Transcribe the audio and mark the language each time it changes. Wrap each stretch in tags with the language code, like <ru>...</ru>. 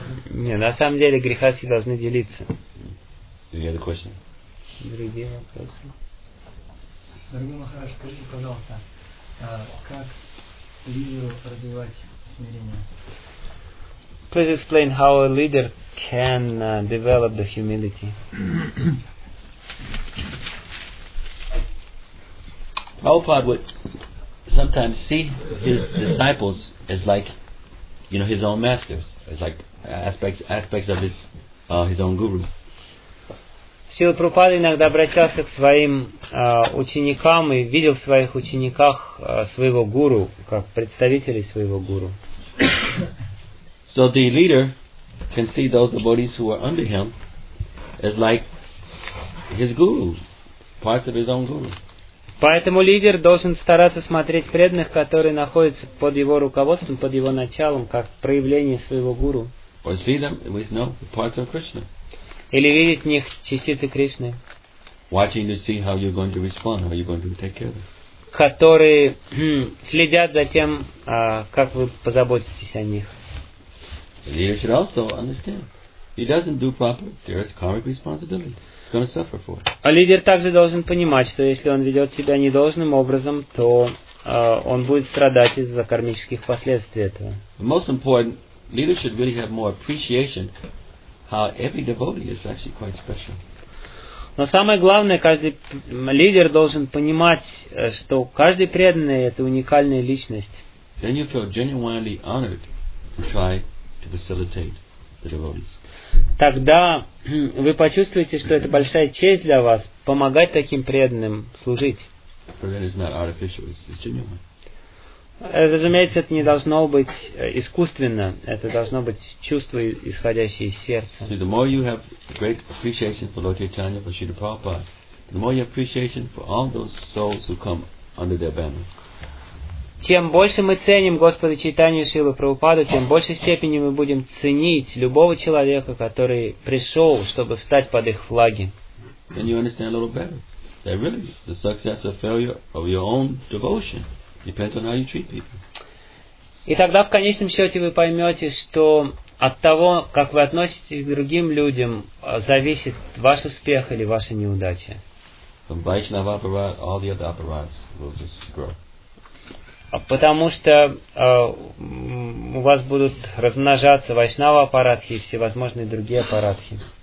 <ru>Не, на самом деле грехасти должны делиться.</ru> <en>Any other question?</en> <ru>Другие вопросы. Дорогой Махарадж, скажите, пожалуйста, как лидеру развивать смирение?</ru> <en>Please explain how a leader can develop the humility. Prabhupada would sometimes see his disciples as like, you know, his own masters, as like aspects of his own guru.</en> <ru>Сила Прабхупада иногда обращался к своим ученикам и видел в своих учениках своего гуру, как представителей своего гуру.</ru> <en>So the leader can see those devotees who are under him as like his guru, parts of his own guru.</en> <ru>Поэтому лидер должен стараться смотреть преданных, которые находятся под его руководством, под его началом, как проявление своего гуру.</ru> <en>Or see them with no parts of Krishna.</en> <ru>Или видеть в них частицы Кришны,</ru> <en>watching to see how you're going to respond, how you're going to take care of them.</en> <ru>Которые следят за тем, как вы позаботитесь о них.</ru> <en>The leader should also understand. If he doesn't do proper, there is karmic responsibility. He's going to suffer for it.</en> <ru>А лидер также должен понимать, что если он ведет себя недолжным образом, то он будет страдать из-за кармических последствий этого.</ru> <en>The most important, leader should really have more appreciation how every devotee is actually quite special.</en> <ru>Но самое главное, каждый лидер должен понимать, что каждый преданный — это уникальная личность.</ru> <en>Then you feel genuinely honored to try to facilitate the devotees.</en> <ru>Тогда вы почувствуете, что это большая честь для вас — помогать таким преданным служить.</ru> <en>But that is not artificial, it's genuine.</en> <ru>Разумеется, это не должно быть искусственно. Это должно быть чувство, исходящее из сердца.</ru> <en>See, the more you have great appreciation for Lord Chaitanya, for Śrīla Prabhupāda, the more you have appreciation for all those souls who come under their banner.</en> <ru>Чем больше мы ценим Господа Чайтанью Шрилу Прабхупаду, тем большей степени мы будем ценить любого человека, который пришел, чтобы встать под их флаги.</ru> <en>Then you understand a little better that really the success or failure of your own devotion depends on how you treat people.</en> <ru>И тогда в конечном счете вы поймете, что от того, как вы относитесь к другим людям, зависит ваш успех или ваша неудача.</ru> <en>From Vaishnava aparad, all the other aparads will just grow.</en> <ru>Потому что у вас будут размножаться вайшнава аппаратхи и всевозможные другие аппаратхи.</ru>